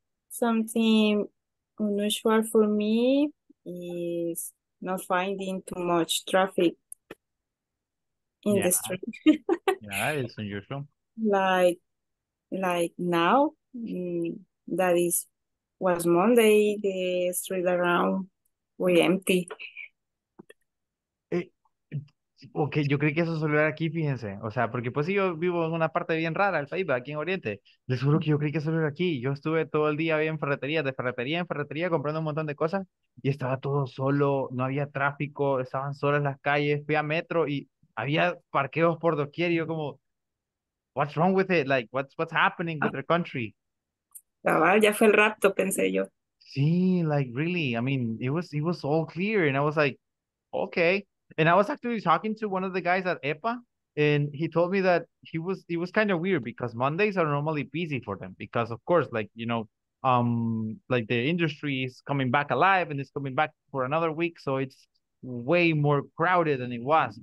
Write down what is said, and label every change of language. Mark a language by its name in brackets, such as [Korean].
[English] Something unusual for me is not finding too much traffic in the street. Yeah, it's unusual. Like now, that is, was Monday, the street around was empty. [Spanish] Ok, yo creí que eso solo era aquí, fíjense. O sea, porque pues sí, yo vivo en una parte bien rara, el país, aquí en Oriente. Les juro que yo creí que solo era aquí. Yo estuve todo el día en ferretería, de ferretería en ferretería, comprando un montón de cosas y estaba todo solo, no había tráfico, estaban solas las calles, fui a metro y había parqueos por doquier y yo como, [English] what's wrong with it? Like, what's happening with their country? [Spanish] Cabal, ya fue el rapto, pensé yo. [English] Sí, like really, I mean, it was all clear and I was like, okay. And I was actually talking to one of the guys at EPA, and he told me that it was kind of weird because Mondays are normally busy for them because of course, like you know, like the industry is coming back alive and it's coming back for another week, so it's way more crowded than it was.